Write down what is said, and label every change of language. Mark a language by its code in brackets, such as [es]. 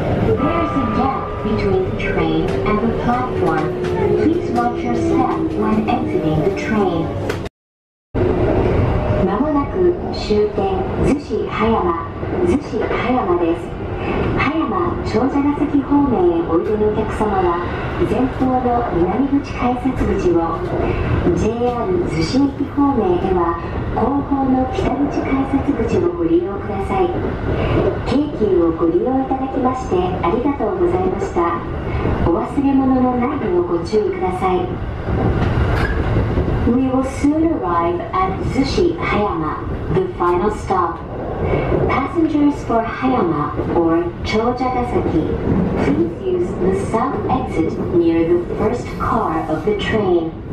[en] There is a gap between the train and the platform. Please watch your step when exiting the train. [ja] まもなく終点、逗子葉山です。葉山長者ヶ崎方面へおいでのお客様は前方の南口改札口を JR 逗子駅方面へは後方の北口改札口をご利用ください。京急をご利用いただきましてありがとうございました。お忘れ物のないようご注意ください。 [en] We will soon arrive at 逗子葉山 The final stopPassengers for Hayama or Chōjagasaki, please use the south exit near the first car of the train.